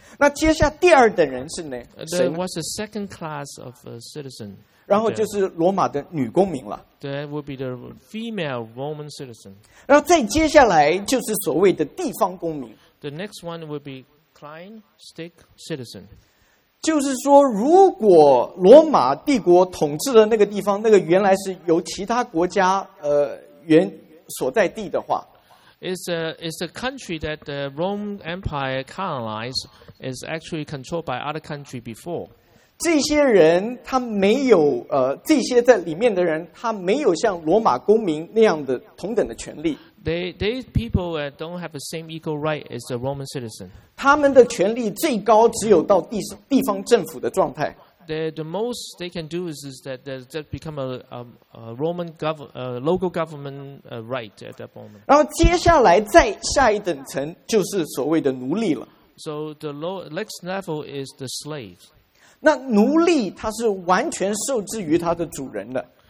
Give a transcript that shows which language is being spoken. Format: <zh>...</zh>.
<zh>那接下第二等人是哪？谁</zh> <en>？Was the second class of citizen?</en> <zh>然后就是罗马的女公民了。</zh> <en>That would be the female Roman citizen.</en> <zh>然后再接下来就是所谓的地方公民。</zh> <en>The next one would be Klein State citizen.</en> <zh>就是说如果罗马帝国统治的那个地方那个原来是由其他国家原所在地的话</zh> <en>It's a country that the Rome Empire colonized is actually controlled by other country before</en> <zh>这些人他没有这些在里面的人他没有像罗马公民那样的同等的权利</zh> <en>These people don't have the same equal right as the Roman citizen.</en> <zh>他们的权力最高只有到地方政府的状态。</zh> <en>The most they can do is that they become a Roman local government right at that moment.</en> <zh>然后接下来再下一等层就是所谓的奴隶了。</zh> <en>So the next level is the slave.</en> <zh>那奴隶他是完全受制于他的主人的。</zh>